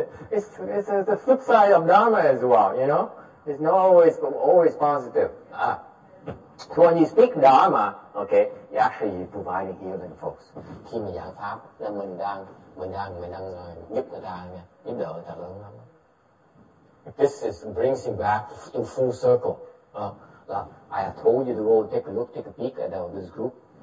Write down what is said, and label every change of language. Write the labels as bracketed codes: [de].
[en] It's the flip side of Dharma as well, you know? It's not always positive. So when you speak Dharma, okay, you're actually providing healing, folks. [vi] Khi mình giảng pháp, là mình đang giúp người ta nha, giúp đỡ người ta lớn lắm. [en] This is brings him back to full circle. I have told you to go take a peek at this group.